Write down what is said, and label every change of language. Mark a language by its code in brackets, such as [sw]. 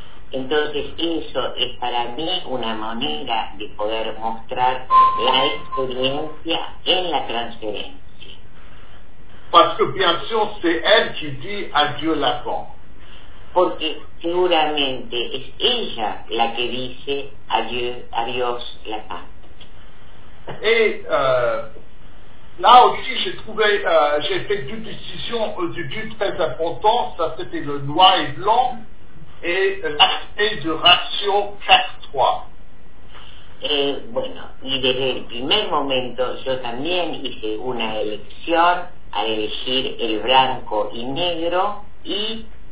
[es] Entonces eso es para mí una manera de poder mostrar la experiencia en la transferencia. Porque, [fr] bien sûr, c'est elle qui dit adieu Lacan. [es] Porque seguramente es ella la que dice adiós Lacan. [fr] Y là aussi j'ai trouvé, j'ai fait deux décisions très importantes. Ça c'était le noir et blanc. Et l'aspect de ratio 4-3. [es] Bueno, y desde el primer momento yo también hice una elección a elegir el blanco y negro y...